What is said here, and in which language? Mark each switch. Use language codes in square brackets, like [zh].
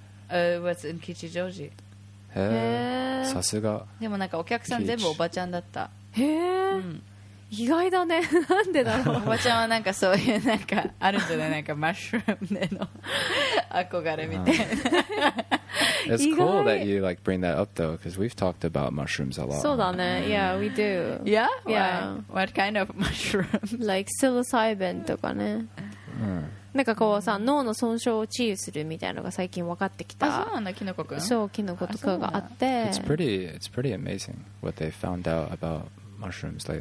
[en] Was in Kichijoji. [ja] さすが。でもなんかお客さん全部おばちゃんだった。へえ、うん、意外だね。なんでだろう。おばちゃんはなんかそういうなんかあるんじゃない、なんかマッシュルームでの憧れみたいな。 [en] It's cool that you like bring that up though, because we've talked about mushrooms a lot. [ja] そうだね。 [en] Yeah, we do. Yeah? Yeah. What kind of mushrooms? Like psilocybin とかね。 [ja] なんかこうさ、脳の損傷を治癒するみたいなのが最近分かってきた。あ、そうなんだ、キノコくん。そう、キノコとかがあって。 [en] It's pretty amazing what they found out about mushrooms lately.